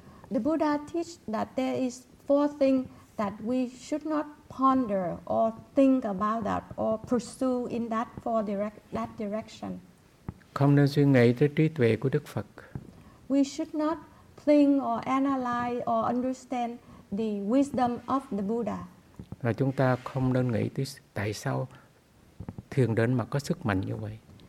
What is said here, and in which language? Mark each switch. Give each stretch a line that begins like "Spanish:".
English: The Buddha teach that there is four things that we should not ponder or think about that or pursue in that direction.
Vietnamese: Không nên suy nghĩ tới trí tuệ của Đức Phật.
English: We should not think or analyze or understand the wisdom of the Buddha.
Vietnamese: Và chúng ta không nên nghĩ tới tại sao thiền định mà có sức mạnh như vậy.